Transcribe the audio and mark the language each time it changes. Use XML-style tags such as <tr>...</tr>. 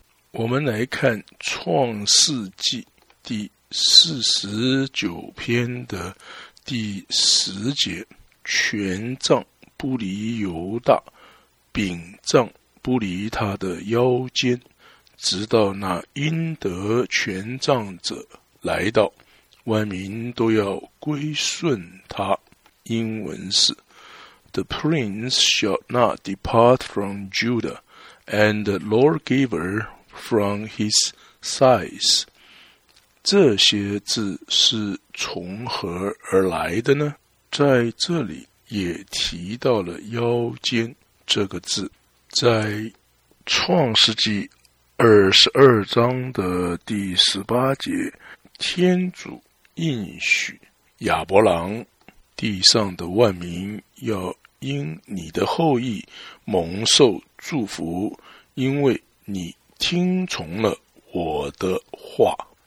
<zh>我们来看创世纪第49篇的第十节，权杖不离犹大，柄杖不离他的腰间，直到那应得权杖者来到，万民都要归顺他。英文是</zh> <en>The prince shall not depart from Judah, and the lawgiver from his sides.</en> <zh>这些字是从何而来的呢？在这里也提到了腰间这个字。在创世纪22章的第18节，天主应许亚伯郎，地上的万民要因你的后裔蒙受祝福，因为你听从了我的话。</zh>